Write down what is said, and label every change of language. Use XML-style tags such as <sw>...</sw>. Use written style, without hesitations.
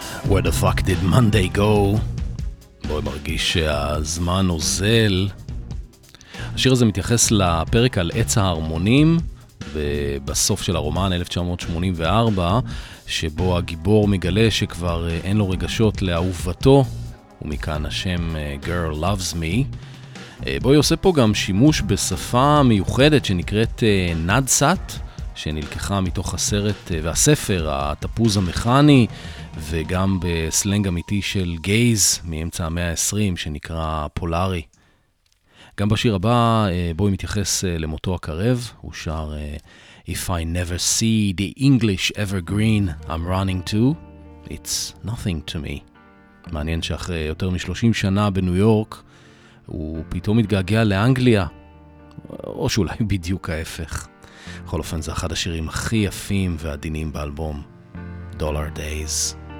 <en>Where the fuck did Monday go?</en> <he>בואי מרגיש שהזמן נוזל. השיר הזה מתייחס לפרק על עץ ההרמונים, ובסוף של הרומן 1984, שבו הגיבור מגלה שכבר אין לו רגשות לאהובתו, ומכאן השם Girl Loves Me. בואי עושה פה גם שימוש בשפה מיוחדת שנקראת נדסאט, שנלקחה מתוך הסרט והספר, התפוז המכני, וגם בסלנג אמיתי של גייז מאמצע המאה ה-20, שנקרא פולארי. גם בשיר הבא, בואי מתייחס למותו הקרב, הוא שר If I never see the English evergreen I'm running to, it's nothing to me. מעניין שאחרי יותר מ-30 שנה בניו יורק, הוא פתאום מתגעגע לאנגליה, או שאולי בדיוק ההפך. בכל אופן, זה אחד השירים הכי יפים ועדינים באלבום, Dollar Days.</he>